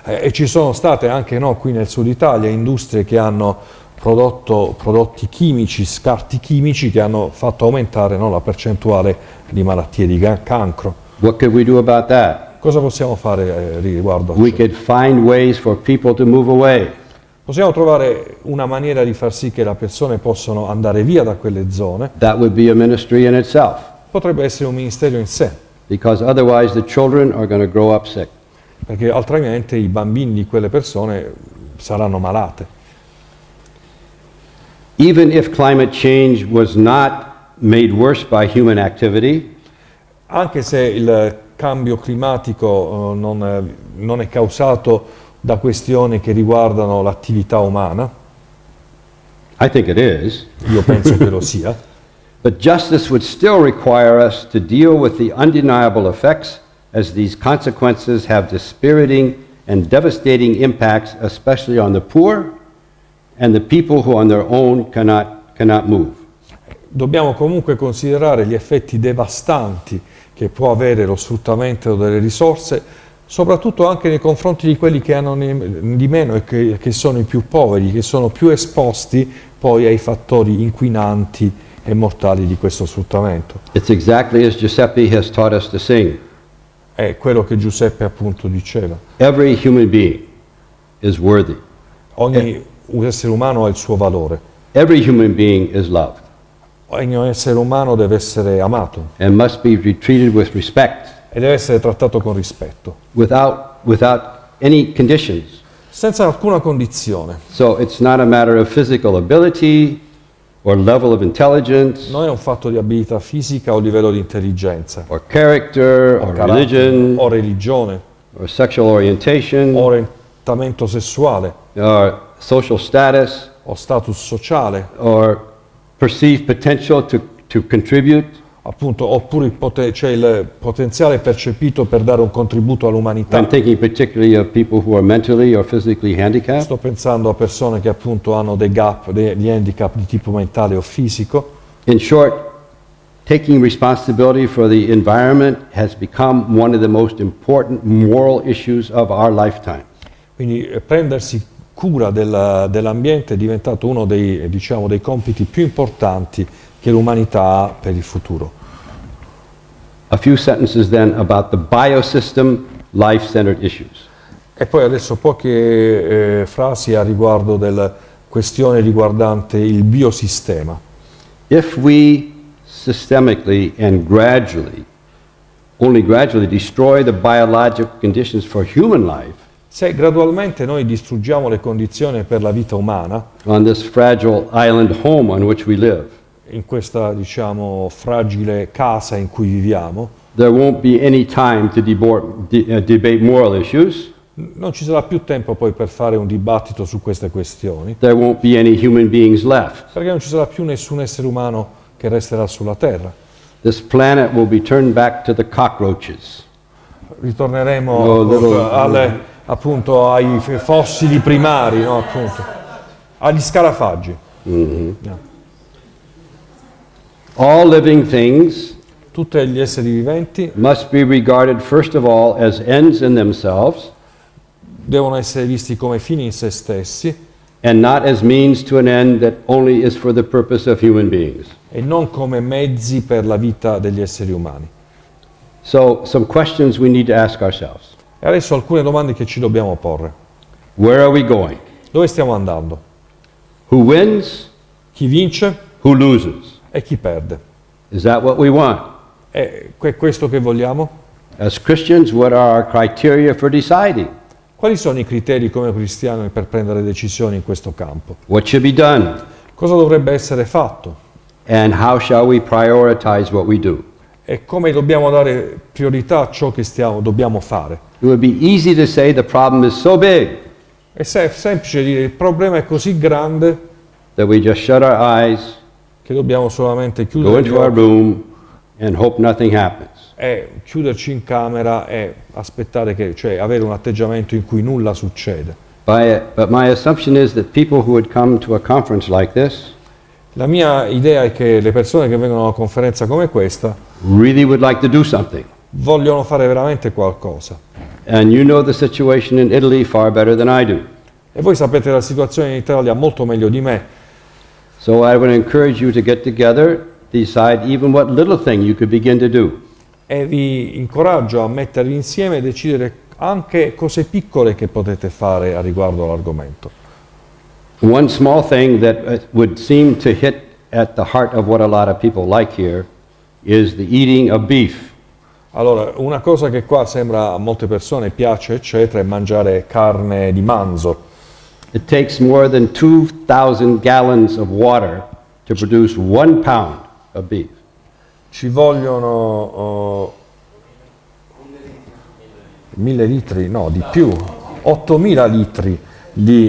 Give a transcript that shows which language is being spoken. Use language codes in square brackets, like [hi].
[it] Ci sono state anche noi qui nel sud Italia industrie che hanno prodotti chimici, scarti chimici che hanno fatto aumentare, no, la percentuale di malattie di cancro. [en] What could we do about that? [it] Cosa possiamo fare riguardo? [en] We could find ways for people to move away. [it] Possiamo trovare una maniera di far sì che le persone possano andare via da quelle zone. [en] That would be a ministry in itself. [it] Potrebbe essere un ministero in sé. [en] Because otherwise the children are going to grow up sick. [it] Perché altrimenti i bambini di quelle persone saranno malate. [en] Even if climate change was not made worse by human activity. [it] Anche se il cambio climatico non è causato da questioni che riguardano l'attività umana. [en] I think it is. [it] Io penso che lo sia. [en] But justice would still require us to deal with the undeniable effects as these consequences have dispiriting and devastating impacts, especially on the poor and the people who on their own cannot move. [it] Dobbiamo comunque considerare gli effetti devastanti che può avere lo sfruttamento delle risorse, soprattutto anche nei confronti di quelli che hanno di meno e che sono i più poveri, che sono più esposti poi ai fattori inquinanti e mortali di questo sfruttamento. [en] It's exactly as Giuseppe has taught us to sing. [it] È quello che Giuseppe appunto diceva. [en] Every human being is worthy. [it] Ogni essere umano ha il suo valore. [en] Every human being is loved. [it] Ogni essere umano deve essere amato. [en] And must be treated with respect. [it] E deve essere trattato con rispetto. [en] Without any conditions. [it] Senza alcuna condizione. [en] So it's not a matter of physical ability or level of intelligence. [it] Non è un fatto di abilità fisica o livello di intelligenza. [en] Or character or religion. [it] O religione. [en] Or sexual orientation. [it] Orientamento sessuale. [en] Or social status. [it] O status sociale. [en] Or perceived potential to contribute, [it] appunto, oppure c'è il potenziale percepito per dare un contributo all'umanità. [en] I'm thinking particularly of people who are mentally or physically handicapped. [it] Sto pensando a persone che appunto hanno dei gap, degli handicap di tipo mentale o fisico. [en] In short, taking responsibility for the environment has become one of the most important moral issues of our lifetime. [it] Quindi prendersi cura dell'ambiente è diventato uno dei, diciamo, dei compiti più importanti che l'umanità ha per il futuro. [en] a few sentences then about the biosystem life-centered issues. [it] E poi adesso poche frasi a riguardo della questione riguardante il biosistema. [en] If we systemically and gradually, only gradually, destroy the biological conditions for human life, [it] se gradualmente noi distruggiamo le condizioni per la vita umana, [en] on this fragile island home on which we live, [it] in questa, diciamo, fragile casa in cui viviamo, [en] there won't be any time to debate moral issues. [it] Non ci sarà più tempo poi per fare un dibattito su queste questioni. [en] There won't be any human beings left. [it] Perché non ci sarà più nessun essere umano che resterà sulla Terra. [en] This planet will be turned back to the cockroaches. [it] Ritorneremo appunto ai fossili primari, no, appunto, agli scarafaggi. Mm-hmm. Yeah. [en] All living things, [it] tutti gli esseri viventi, [en] must be regarded first of all as ends in themselves, [it] devono essere visti come fini in se stessi, [en] and not as means to an end that only is for the purpose of human beings, [it] e non come mezzi per la vita degli esseri umani. [en] So some questions we need to ask ourselves. [it] E adesso alcune domande che ci dobbiamo porre. [en] Where are we going? [it] Dove stiamo andando? [en] Who wins? [it] Chi vince? [en] Who loses? [it] E chi perde? [en] Is that what we want? [it] È questo che vogliamo? [en] As Christians, what are our criteria for deciding? [it] Quali sono i criteri come cristiani per prendere decisioni in questo campo? [en] What should be done? [it] Cosa dovrebbe essere fatto? [en] And how shall we prioritize what we do? [it] E come dobbiamo dare priorità a ciò che dobbiamo fare? [en] It would be easy to say the problem is so big. [it] E se è semplice dire il problema è così grande, [en] that we just shut our eyes, [it] che dobbiamo solamente chiudere gli occhi, [en] our room and hope nothing happens. [it] È chiuderci in camera e aspettare che, cioè avere un atteggiamento in cui nulla succede. [en] But my assumption is that people who would come to a conference like this, [it] la mia idea è che le persone che vengono a una conferenza come questa [en] really would like to do something. [it] Vogliono fare veramente qualcosa. [en] And you know the situation in Italy far better than I do. [it] E voi sapete la situazione in Italia molto meglio di me. [en] So I would encourage you to get together, decide even what little thing you could begin to do. [it] E vi incoraggio a mettervi insieme e decidere anche cose piccole che potete fare a riguardo all'argomento. [en] One small thing that would seem to hit at the heart of what a lot of people like here is the eating of beef. [it] Allora, una cosa che qua sembra a molte persone piace, eccetera, è mangiare carne di manzo. [en] It takes more than 2,000 gallons of water to produce 1 pound of beef. [it] Ci vogliono 1000 litri, no, di più, 8000 litri di